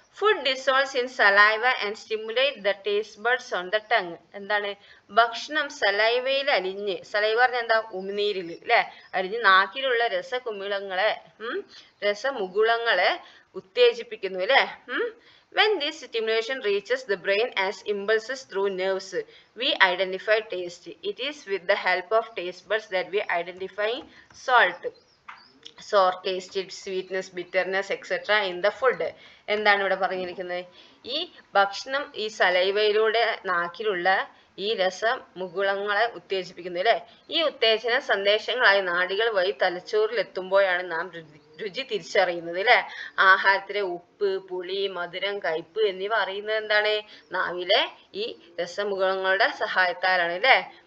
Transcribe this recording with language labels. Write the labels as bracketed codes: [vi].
[en] Food dissolves in saliva and stimulate the taste buds on the tongue. [ml] എന്താണ് ഭക്ഷണം സലൈവയിൽ അലിഞ്ഞ് saliva പറഞ്ഞാൽ എന്താ ഉമിനീരിൽ അല്ലേ അലിഞ്ഞ് നാക്കിലുള്ള രസകുമിളങ്ങളെ രസമുകുളങ്ങളെ ഉത്തേജിപ്പിക്കുന്നു അല്ലേ. [en] When this stimulation reaches the brain as impulses through nerves, we identify taste. It is with the help of taste buds that we identify salt, sour taste, sweetness, bitterness, etc. in the food. [ml] എന്താണ് ഇവിടെ പറഞ്ഞിരിക്കുന്നത്? ഈ ഭക്ഷണം ഈ സലൈവയിലൂടെ നാക്കിലുള്ള ഈ രസം മുകുളങ്ങളെ ഉത്തേജിപ്പിക്കുന്നു അല്ലേ. ഈ ഉത്തേജന സന്ദേശങ്ങളായി നാഡികൾ വഴി തലച്ചോറിൽ എത്തുമ്പോഴാണ് നാം രുചി തിരിച്ചറിയുന്നത് അല്ലേ. ആഹാരത്തിലെ ഉപ്പ് പുളി മധുരം കയ്പ്പ് എന്നിവ അറിയുന്നത് എന്താണ് നാവിലെ ഈ രസമുഖങ്ങളുടെ സഹായത്താലാണ് അല്ലേ.